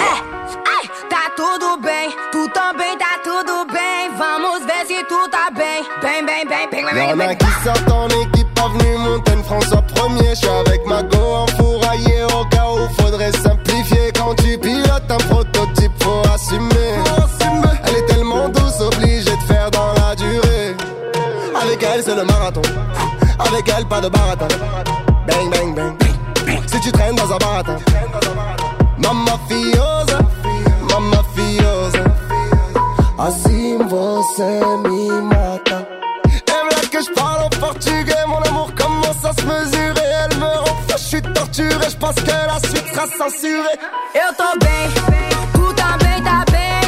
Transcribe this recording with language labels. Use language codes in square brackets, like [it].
[pt] Hey, tá tudo bem, tudo bem, tá tudo bem. Vamos ver si tu tá bem. Bem, bem, bem, bem, bem, bem. [fr] Y'en a qui sortent en équipe, avenue Montaigne, François 1er. J'suis avec ma go en fourraillé au cas où faudrait simplifier. Quand tu pilotes un prototype, faut assumer. Elle est tellement douce, obligée de faire dans la durée. Avec elle, c'est le marathon. Avec elle, pas de baratin. Bang, bang, bang. Si tu traînes dans un baratin. Mamma fiosa, mamma fiosa. [pt] Así você me mata. [fr] Et voilà que je parle en portugais. Mon amour commence à se mesurer. Elle me rend fou, je suis torturé. Je pense que la suite sera censurée. [pt] Eu tô bem, tu também tá bem.